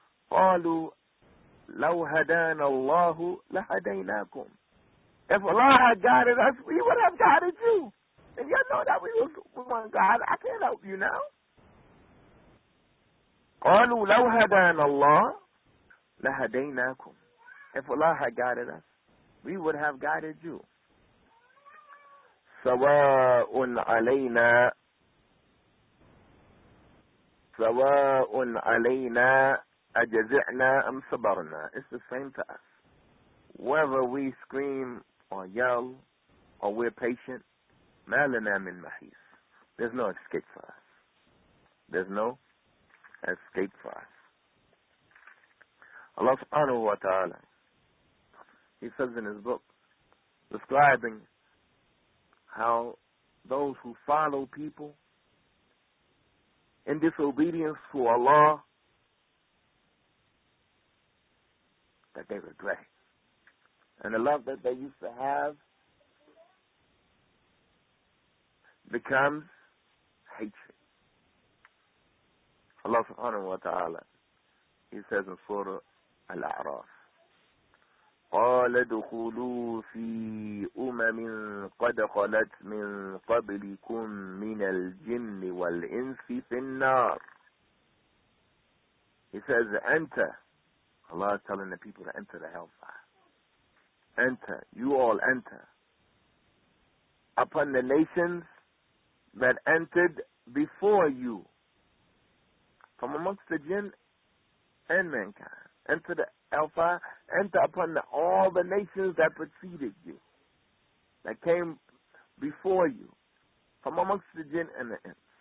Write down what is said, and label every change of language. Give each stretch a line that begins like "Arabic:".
Arabic: قَالُوا لَوْ هَدَانَ اللَّهُ لَهَدَيْنَاكُمْ,
English: if Allah had guided us, we would have guided you. And you know that we want God, I can't help you now.
Arabic: قَالُوا لَوْ هَدَانَ اللَّهُ لَهَدَيْنَاكُمْ,
English: if Allah had guided us, we would have guided you.
Arabic: سَوَاءٌ عَلَيْنَا, سَوَاءٌ عَلَيْنَا أَجَزِعْنَا أَمْ صَبَرْنَا,
English: it's the same to us. Whether we scream or yell or we're patient,
Arabic: مَا لَنَا مِنْ مَحِيسٍ,
English: there's no escape for us. There's no escape for us. Allah subhanahu wa ta'ala, he says in his book, describing how those who follow people in disobedience to Allah, that they regret. And the love that they used to have becomes hatred. Allah subhanahu wa ta'ala, he says in Surah Al-A'raf,
Arabic: قَالَ دُخُلُوا فِي أُمَمٍ قَدْ خَلَتْ مِنْ قَبْلِكُمْ مِنَ الْجِنِّ وَالْإِنْسِ فِي النَّارِ,
English: he says, enter. Allah is telling the people to enter the hellfire. Enter, you all enter. Upon the nations that entered before you, from amongst the jinn and mankind, enter the hellfire, enter upon the, all the nations that preceded you, that came before you, from amongst the jinn and the ants.